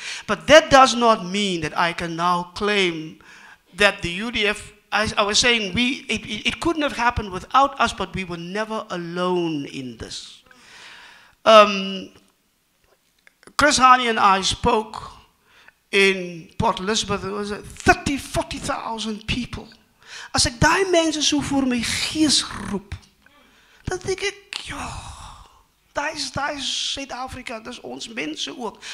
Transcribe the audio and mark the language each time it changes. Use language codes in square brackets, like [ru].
[en] But that does not mean that I can now claim that the UDF, as I was saying, it couldn't have happened without us, but we were never alone in this. Chris Harney and I spoke in Port Elizabeth, it was 30, 40,000 people. [af] As ek die mense so voor my gees roep, dan denk ek, joh. Dis Suid-Afrika, dis ons mense ook.